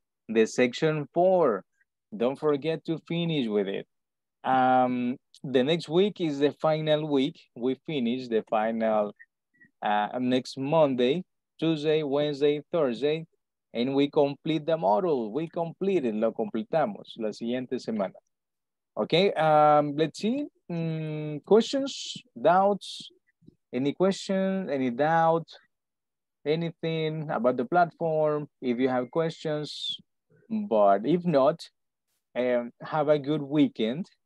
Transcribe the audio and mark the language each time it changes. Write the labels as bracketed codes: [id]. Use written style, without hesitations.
[en] The section 4, don't forget to finish with it. The next week is the final week. We finish the final next Monday, Tuesday, Wednesday, Thursday, and we complete the module. We complete it, [es] lo completamos la siguiente semana. [en] Okay, let's see, questions, doubts, any question, any doubt, anything about the platform, if you have questions. But if not, have a good weekend.